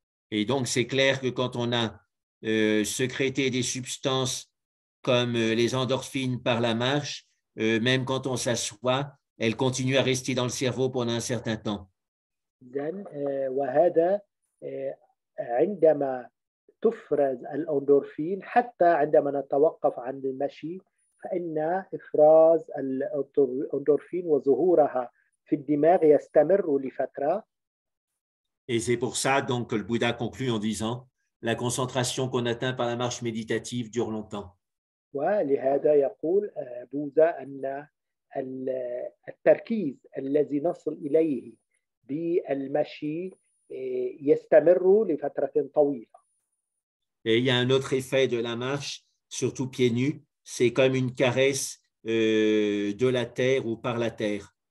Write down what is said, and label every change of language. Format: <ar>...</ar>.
<fr>Et donc, c'est clair que quand on a sécrété des substances comme les endorphines par la marche, même quand on s'assoit, elles continuent à rester dans le cerveau pendant un certain temps.</fr> <ar>وهذا عندما تفرز الأندورفين حتى عندما نتوقف عن المشي فإن إفراز الأندورفين وظهورها في الدماغ يستمر لفترة.</ar> <fr>Et c'est pour ça donc que le Bouddha conclut en disant la concentration qu'on atteint par la marche méditative dure longtemps.</fr> <ar>ولهذا يقول بوذا أن التركيز الذي نصل إليه بالمشي يستمر لفترة طويلة.</ar> <fr>Et il y a un autre effet de la marche, surtout pieds nus, c'est comme une caresse de la terre ou par la terre.</fr>